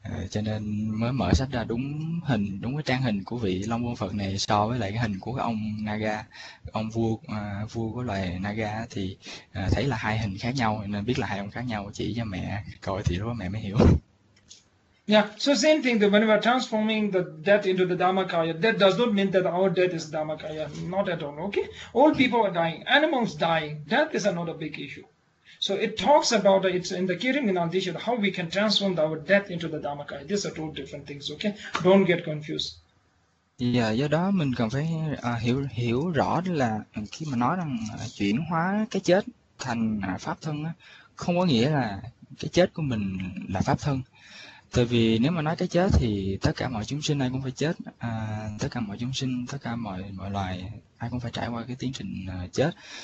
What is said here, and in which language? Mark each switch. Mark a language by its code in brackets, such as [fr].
[vi] Cho nên mới mở sách ra đúng hình, đúng cái trang hình của vị Long Vương Phật này so với lại cái hình của cái ông Naga, ông vua vua của loài Naga, thì thấy là hai hình khác nhau, nên biết là hai ông khác nhau, chỉ cho mẹ coi thì lúc đó mẹ mới hiểu. [en] Yeah, so same thing that when we are transforming the death into the Dharmakaya, that does not mean that our death is Dharmakaya, not at all, okay? All people are dying, animals dying, death is another big issue. So it talks about, it's in the Kiriminandisha, how we can transform our death into the Dharmakaya. These are two different things, okay? Don't get confused. [vi] Do đó mình cần phải hiểu hiểu rõ là khi mà nói rằng chuyển hóa cái chết thành pháp thân á, không có nghĩa là cái chết của mình là pháp thân. Tại vì nếu mà nói cái chết thì tất cả mọi chúng sinh ai cũng phải chết, tất cả mọi chúng sinh, tất cả mọi mọi loài ai cũng phải trải qua cái tiến trình chết.